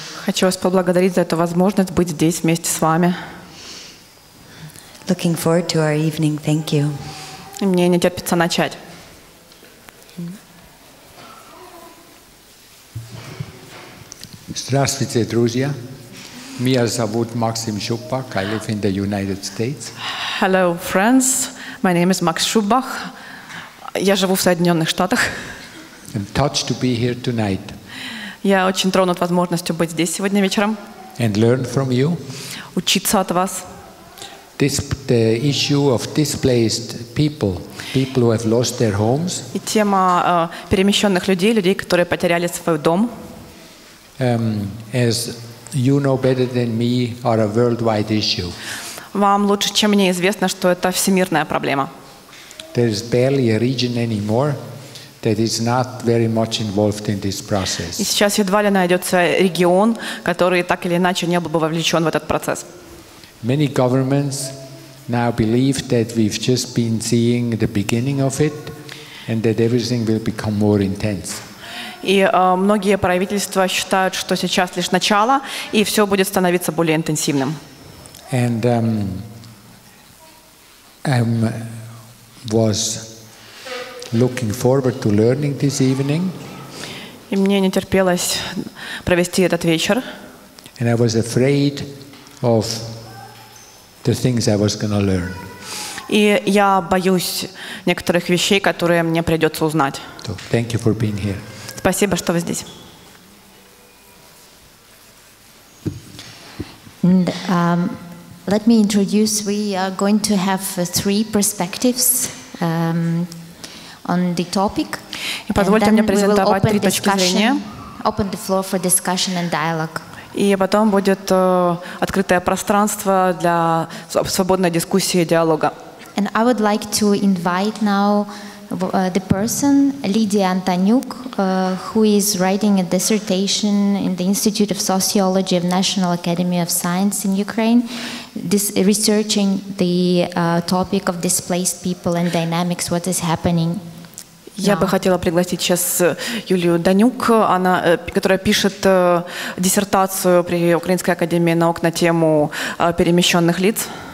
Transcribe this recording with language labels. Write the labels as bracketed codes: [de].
[ru] Хочу вас поблагодарить за эту возможность быть здесь вместе с вами. [en] Looking forward to our evening. Thank you. [ru] Мне не терпится начать. Здравствуйте, друзья. Меня зовут Максим Шубах. [en] I live in the United States. Hello, friends. My name is Max Schubach. [ru] Я живу в Соединенных Штатах. [en] I'm touched to be here tonight. [ru] Я очень тронут возможностью быть здесь сегодня вечером. [en] And learn from you. [ru] Учиться от вас. [en] The issue of displaced people, people who have lost their homes. [ru] И тема перемещенных людей, людей, которые потеряли свой дом. [en] As you know better than me, are a worldwide issue. [ru] Вам лучше, чем мне, известно, что это всемирная проблема. [en] There is barely a region anymore that is not very much involved in this process. [ru] И сейчас едва ли найдется регион, который так или иначе не был бы вовлечен в этот процесс. [en] Many governments now believe that we've just been seeing the beginning of it, and that everything will become more intense. [ru] И многие правительства считают, что сейчас лишь начало, и все будет становиться более интенсивным. [en] And was looking forward to learning this evening. [ru] И мне не терпелось провести этот вечер. [en] And I was afraid of the things I was going to learn. [ru] И я боюсь некоторых вещей, которые мне придется узнать. [en] So, thank you for being here. [ru] Спасибо, что вы здесь. [en] And, let me introduce. We are going to have three perspectives on the topic. [ru] И позвольте мне презентовать три точки зрения. [en] Open the floor for discussion and dialogue. [ru] И потом будет открытое пространство для свободной дискуссии и диалога. [en] And I would like to invite now the person Lydia Antoniuk, who is writing a dissertation in the Institute of Sociology of National Academy of Science in Ukraine, researching the topic of displaced people and dynamics, what is happening. [ru] Я бы хотела пригласить сейчас Юлию Данюк, она, которая пишет диссертацию при Украинской академии наук на тему перемещенных лиц.